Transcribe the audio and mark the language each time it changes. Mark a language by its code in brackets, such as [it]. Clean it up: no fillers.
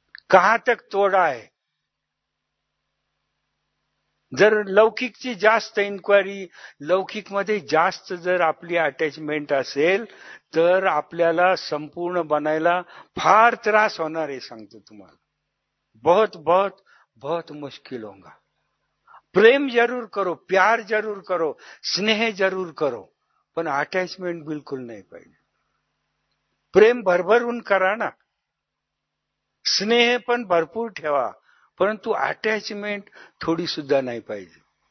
[hi] कहा तक तोडा आहे. [mr] जर लौकिकची जास्त इन्क्वायरी, लौकिक मध्ये जास्त जर आपली अटॅचमेंट असेल तर आपल्याला संपूर्ण बनायला फार त्रास होणार आहे, सांगतो तुम्हाला. [hi] बहुत बहुत बहुत मुश्किल होगा. प्रेम जरूर करो, प्यार जरूर करो, स्नेह जरूर करो, [mr] पण अटॅचमेंट बिलकुल नाही पाहिजे. प्रेम भरभरून करा ना, स्नेह पण भरपूर ठेवा, परंतु अटॅचमेंट थोडी सुद्धा नाही पाहिजे.